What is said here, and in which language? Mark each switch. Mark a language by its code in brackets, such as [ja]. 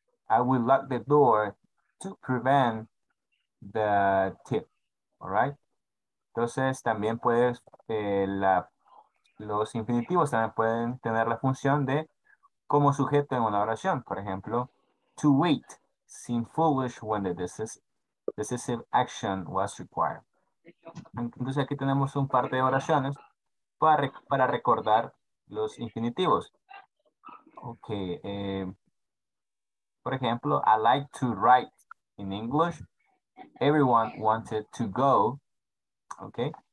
[en] I will lock the door to prevent the tip. All right. [es] Entonces, también puedes, los infinitivos también pueden tener la función de como sujeto en una oración. Por ejemplo, [en] to wait seemed foolish when the decisive action was required. [es] Entonces aquí tenemos un par de oraciones para recordar los infinitivos. [en] Ok. [es] Por ejemplo, [en] I like to write in English. Everyone wanted to go. [es] Ok.